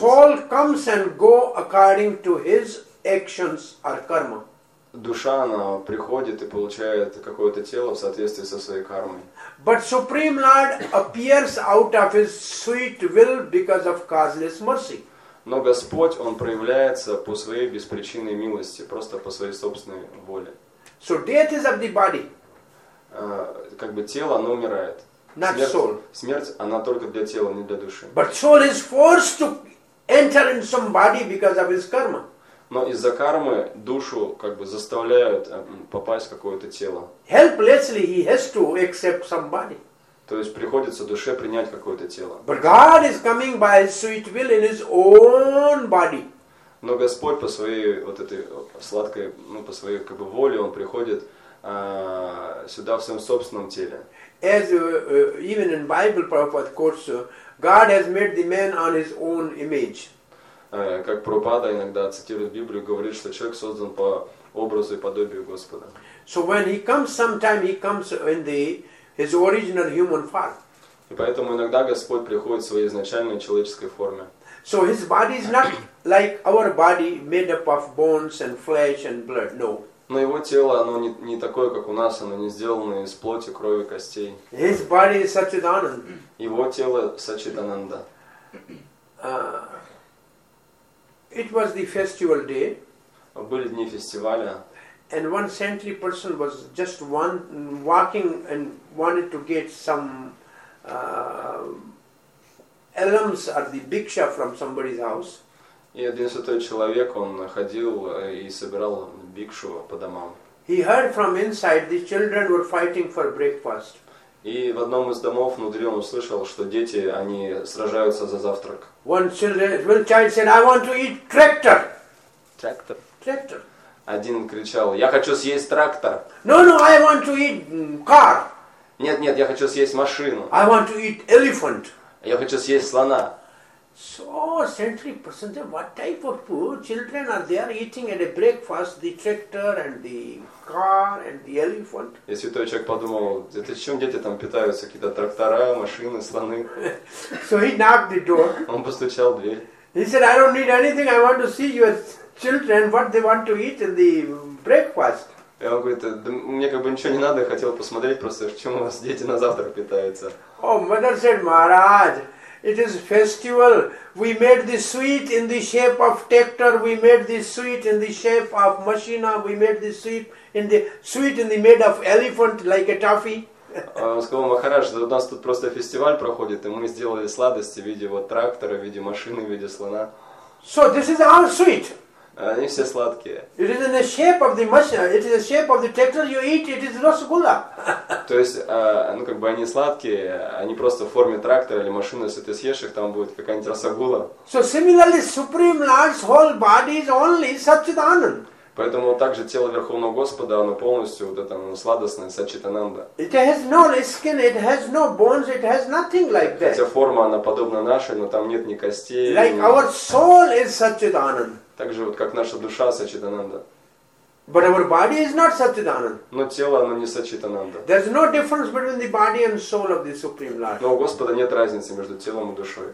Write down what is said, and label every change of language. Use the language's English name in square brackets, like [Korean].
[English] Soul comes and go according to his actions or karma. [Russian] Душа она приходит и получает какое-то тело в соответствии со своей кармой. [English] But Supreme Lord appears out of his sweet will because of causeless mercy. [Russian] Но Господь, Он проявляется по Своей беспричинной милости, просто по Своей собственной воле. [English] So death is of the body. [Russian] Как бы тело, оно умирает. [English] Not [Russian] смерть, [English] soul. [Russian] Смерть, она только для тела, не для души. [English] But soul is forced to enter in some body because of his karma. [Russian] Но из-за кармы душу как бы заставляют попасть в какое-то тело. [English] Helplessly he has to accept some body. [Russian] То есть приходится душе принять какое-то тело. [English] But God is coming by his sweet will in his own body. [Russian] Но Господь по своей вот этой сладкой, ну, по своей как бы воле, Он приходит сюда в своем собственном теле. [English] As even in Bible Prabhupada quotes, God has made the man on his own image. [Russian] Как Прабхупада иногда цитирует Библию, говорит, что человек создан по образу и подобию Господа. [English] So when he comes, sometime he comes in the his original human form. [Russian] И поэтому иногда Господь приходит в своей изначальной человеческой форме. [English] So his body is not like our body, made up of bones and flesh and blood. No. [Russian] Но его тело, оно не такое, как у нас, оно не сделано из плоти, крови, костей. [English] His body is Satchidananda. [Russian] Его тело Сачидананда. [English] It was the festival day. [Russian] Были дни фестиваля. [English] And one saintly person was just one walking and wanted to get some alms or the bhiksha from somebody's house. [Russian] И один святой человек, он ходил и собирал бикшу по домам. [English] He heard from inside the children were fighting for breakfast. [Russian] И в одном из домов внутри он услышал, что дети, они сражаются за завтрак. [English] One child said, I want to eat tractor. Tractor. Tractor. [Russian] Один кричал, я хочу съесть трактор. [English] No, I want to eat car. [Russian] Нет, я хочу съесть машину. [English] I want to eat elephant. [Russian] Я хочу съесть слона. [English] So, sentry person, what type of food? Children are there eating at a breakfast, the tractor and the car and the elephant. [Russian] И святой человек подумал, это чем дети там питаются, какие-то трактора, машины, слоны. [English] So he knocked the door. [Russian] Он постучал в дверь. [English] He said, I don't need anything, I want to see your children, what they want to eat in the breakfast. [Russian] И он говорит, да мне как бы ничего не надо, я хотел посмотреть просто, в чем у вас дети на завтрак питаются. [English] Oh, mother said, Maharaj. It is festival. We made the sweet in the shape of tractor. We made the sweet in the shape of machina. We made the sweet in the made of elephant like a toffee. [Russian] Он сказал, Махарадж, у нас тут просто фестиваль проходит, и мы сделали сладости в виде вот трактора, в виде машины, в виде слона. [English] So this is all sweet. [Russian] Они все сладкие. [English] It is in the shape of the machine. It is the shape of the tractor you eat. It is rasgulla. [Russian] То есть, ну как бы они сладкие, они просто в форме трактора или машины, если ты съешь их, там будет какая-нибудь rasgulla. [English] So similarly, Supreme Lord's whole body is only Satchidananda. [Russian] Поэтому также тело Верховного Господа, оно полностью вот это сладостное Сачитананда. [English] It has no skin, it has no bones, it has nothing like that. [Russian] Хотя форма она подобна нашей, но там нет ни костей. [English] Like our soul is Satchidananda. [Russian] Так же, вот как наша душа Сачидананда. [English] But our body is not Satchidananda. [Russian] Но тело, оно не Сачидананда. [English] There's no difference between the body and soul of the Supreme Lord. [Russian] Но у Господа нет разницы между телом и душой.